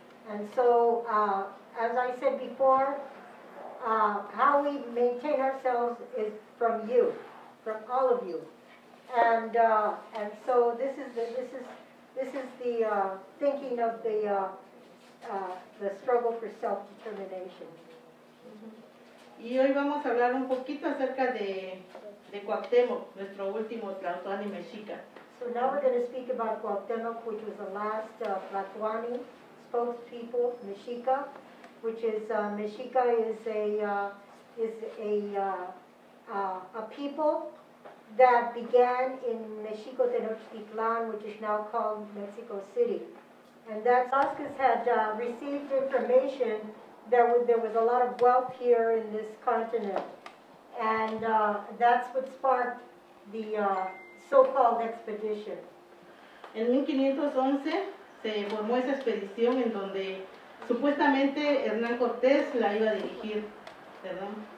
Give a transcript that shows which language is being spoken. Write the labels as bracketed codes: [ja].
[en] And so, as I said before, how we maintain ourselves is from you, from all of you. And so this is the thinking of the struggle for self-determination. [es] Y hoy vamos a hablar un poquito acerca de Cuauhtémoc, nuestro último tlatoani mexica. [en] So now we're going to speak about Cuauhtémoc, which was the last tlatoani spokespeople, mexica, which is mexica is a people that began in Mexico Tenochtitlan, which is now called Mexico City. And that Vasquez had received information that there was a lot of wealth here in this continent. And that's what sparked the so-called expedition. [es] En 1511 se formó esa expedición en donde supuestamente Hernán Cortés la iba a dirigir, ¿verdad?